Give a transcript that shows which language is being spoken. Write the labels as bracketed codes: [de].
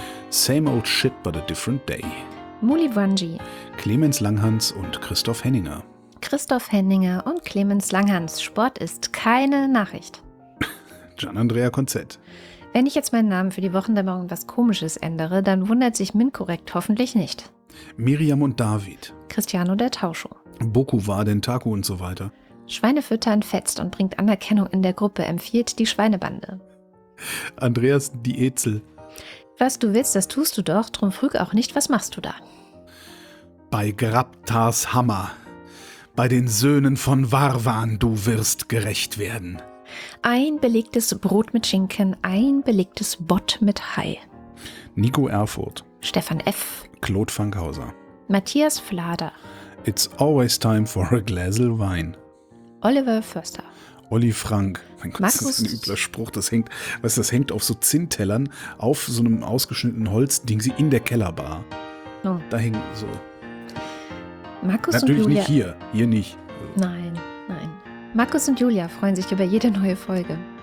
[en] Same old shit, but a different day. [de] Muli Wanji. Clemens Langhans und Christoph Henninger. Christoph Henninger und Clemens Langhans. Sport ist keine Nachricht. Gian-Andrea Konzett. Wenn ich jetzt meinen Namen für die Wochendämmerung was Komisches ändere, dann wundert sich Mincorrect hoffentlich nicht. Miriam und David. Cristiano der Tauscho. Boku war den Taku und so weiter. Schweinefüttern fetzt und bringt Anerkennung in der Gruppe, empfiehlt die Schweinebande. Andreas die Ezel. Was du willst, das tust du doch, drum früg auch nicht, was machst du da? Bei Grabtars Hammer, bei den Söhnen von Varwan, du wirst gerecht werden. Ein belegtes Brot mit Schinken, ein belegtes Bott mit Hai. Nico Erfurt. Stefan F. Claude Fankhauser. Matthias Flader. [en] It's always time for a glass of wine. [de] Oliver Förster. Olli Frank. Mein Gott, Markus, das ist ein übler Spruch. Das hängt, weißt du, das hängt auf so Zinntellern auf so einem ausgeschnittenen Holzding, sie in der Kellerbar. Oh. Da hängen so. Markus natürlich und Julia. Natürlich nicht hier. Hier nicht. Also. Nein, nein. Markus und Julia freuen sich über jede neue Folge.